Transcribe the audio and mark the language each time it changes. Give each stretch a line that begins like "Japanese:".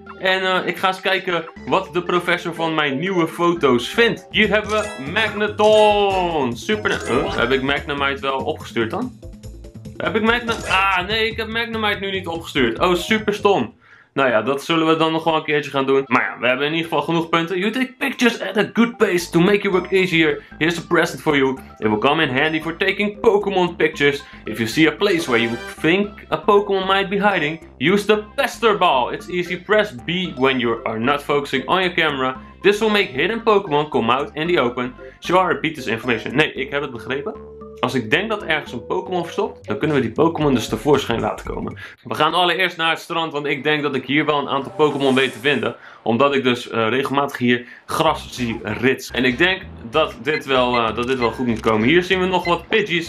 Dutch: En ik ga eens kijken wat de professor van mijn nieuwe foto's vindt. Hier hebben we Magneton. Super nice. Heb ik Magnemite wel opgestuurd dan? Heb ik Magnemite? Ah nee, ik heb Magnemite nu niet opgestuurd. Oh, super stom. Nou ja, dat zullen we dan nog wel een keertje gaan doen. Maar ja, we hebben in ieder geval genoeg punten.
English: You take pictures at a good pace to make your work easier. Here's a present for you. It will come in handy for taking Pokémon pictures. If you see a place where you think a Pokémon might be hiding, use the Pester Ball. It's easy. Press B when you are not focusing on your camera. This will make hidden Pokémon come out in the open. Show or repeat this information.
Dutch: Nee, ik heb het begrepen. Als ik denk dat ergens een Pokémon verstopt, dan kunnen we die Pokémon dus tevoorschijn laten komen. We gaan allereerst naar het strand, want ik denk dat ik hier wel een aantal Pokémon weet te vinden. Omdat ik dus regelmatig hier gras zie rits. En ik denk dat dit wel goed moet komen. Hier zien we nog wat Pidgeys.